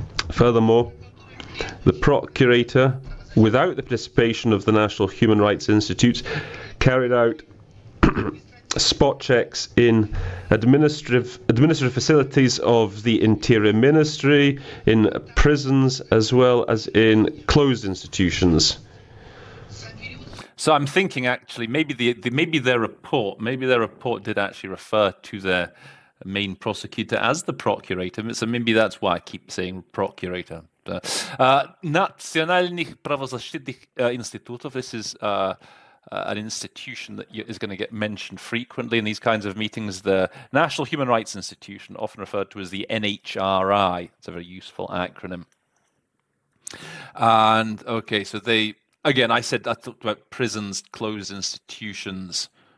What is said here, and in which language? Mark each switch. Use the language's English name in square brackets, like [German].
[English] Furthermore, the procurator, without the participation of the National Human Rights Institute, carried out spot checks in administrative facilities of the Interior Ministry, in prisons, as well as in closed institutions. So I'm thinking, actually, maybe their report did actually refer to their main prosecutor as the procurator. So maybe that's why I keep saying procurator. [Russian] Национальных правозащитных институтов. [English] This is an institution that is going to get mentioned frequently in these kinds of meetings, the National Human Rights Institution, often referred to as the NHRI. It's a very useful acronym. And, okay, so they, again, I talked about prisons, closed institutions.